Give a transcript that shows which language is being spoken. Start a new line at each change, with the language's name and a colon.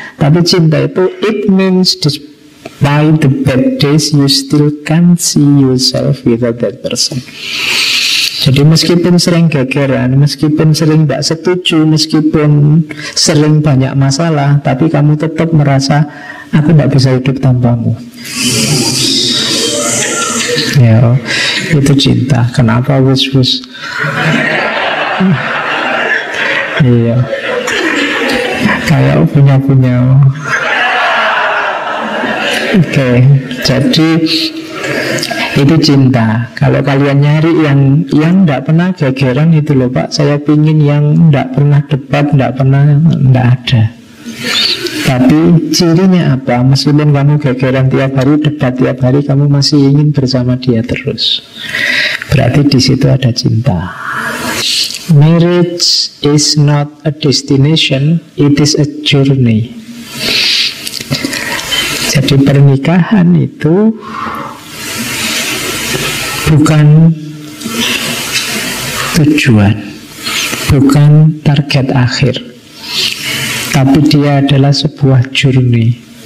Indonesian: Tapi cinta itu,
English: it means despite the bad days, you still can't see yourself without that person.
Indonesian: Jadi meskipun sering gegeran, meskipun sering tidak setuju, meskipun sering banyak masalah, tapi kamu tetap merasa aku tidak bisa hidup tanpamu. Ya, itu cinta. Kenapa wis-wis? Iya. Kayak punya-punya. Oke, jadi itu cinta. Kalau kalian nyari yang tidak pernah gegeran itu loh pak, saya pingin yang tidak pernah debat, tidak pernah, tidak ada. Tapi cirinya apa? Meskipun kamu gegeran tiap hari, debat tiap hari, kamu masih ingin bersama dia terus. Berarti di situ ada cinta.
English: Marriage is not a destination, it is a journey.
Indonesian: Jadi pernikahan itu bukan tujuan, bukan target akhir, tapi dia adalah sebuah journey.